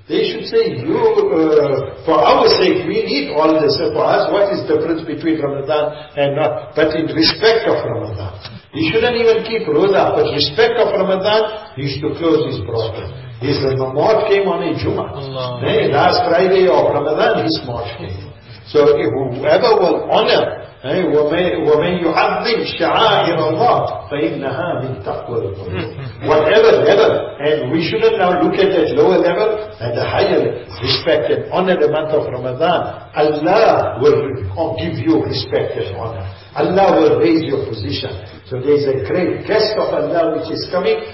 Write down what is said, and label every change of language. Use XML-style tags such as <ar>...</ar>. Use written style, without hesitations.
<en>They should say, for our sake, we need all this. For us, what is the difference between Ramadan and not? But in respect of Ramadan. He shouldn't even keep roza, but respect of Ramadan, he used to close his brothel. His maut came on a Jummah. Last Friday of Ramadan, his maut came. So whoever will honor,</en> <ar>وَمَنْ يُعَظِّمْ شَعَائِرَ اللَّهِ فَإِنَّهَا مِنْ تَقْوَى الْقُلُوبِ.</ar> <en>Whatever level, and we shouldn't now look at that lower level, at the higher respect and honor the month of Ramadan, Allah will give you respect and honor. Allah will raise your position. So there is a great guest of Allah which is coming.</en>